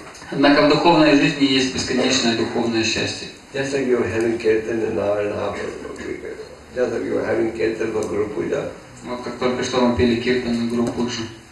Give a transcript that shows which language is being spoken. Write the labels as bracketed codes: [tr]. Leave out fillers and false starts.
[ru] Однако в духовной жизни есть бесконечное духовное счастье. [en] Just like you were having kirtan for Guru Puja. [ru] Вот как только что мы пели киртан на Гуру Пуджу.